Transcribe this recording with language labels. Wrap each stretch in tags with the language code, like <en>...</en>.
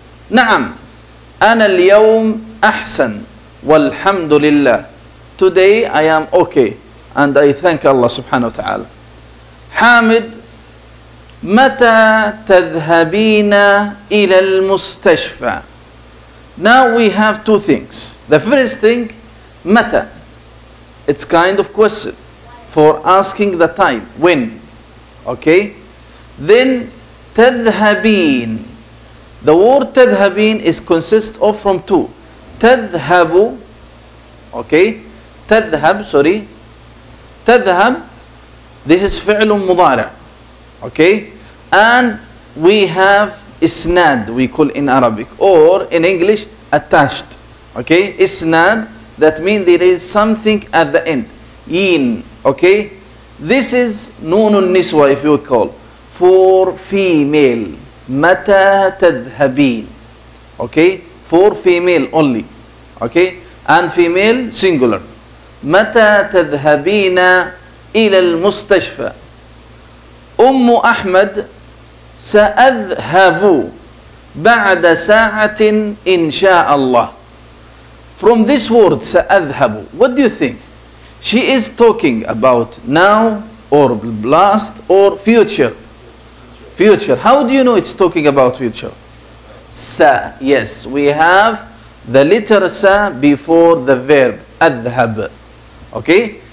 <ar>نعم أنا اليوم أحسن والحمد لله.</ar> <en>Today I am okay and I thank Allah</en> <ar>سبحانه وتعالى. حامد متى تذهبين إلى المستشفى؟</ar> <en>Now we have two things. The first thing, متى. It's kind of question for asking the time, when. Okay. Then تذهبين. The word تذهبين is consist of from two.</en> <ar>تذهب. Okay. تذهب. Sorry. تذهب.</ar> <en>This is فعل مضارع. Okay. And we have إسناد, we call in Arabic, or in English, attached. Okay, إسناد, that means there is something at the end. إين, okay. This is نون النسوة, if you call, for female.</en> <ar>متى تذهبين,</ar> <en>okay, for female only. Okay, and female singular.</en> <ar>متى تذهبين إلى المستشفى. أم أحمد سأذهب بعد ساعة إن شاء الله.</ar> <en>From this word سأذهب, what do you think? She is talking about now or last or future? Future. How do you know it's talking about future? سَ. Yes, we have the letter سَ before the verb أذهب. Okay.</en>